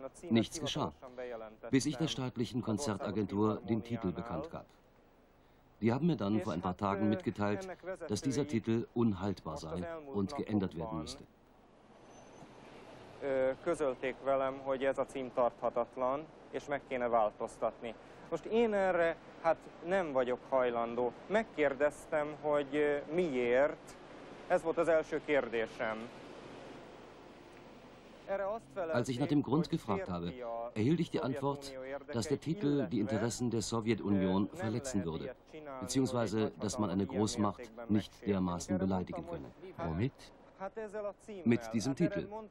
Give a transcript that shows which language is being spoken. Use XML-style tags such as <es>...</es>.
<de>Nichts geschah, bis ich der staatlichen Konzertagentur den Titel bekannt gab. Die haben mir dann vor ein paar Tagen mitgeteilt, dass dieser Titel unhaltbar sei und geändert werden müsste.</de> <hu>Közölték velem, hogy ez a cím tarthatatlan, és meg kéne változtatni. Most én erre hát nem vagyok hajlandó. Megkérdeztem, hogy miért. Ez volt az első kérdésem.</hu> <de>Als ich nach dem Grund gefragt habe, erhielt ich die Antwort, dass der Titel die Interessen der Sowjetunion verletzen würde, beziehungsweise, dass man eine Großmacht nicht dermaßen beleidigen könne. Womit? Mit diesem Titel.</de>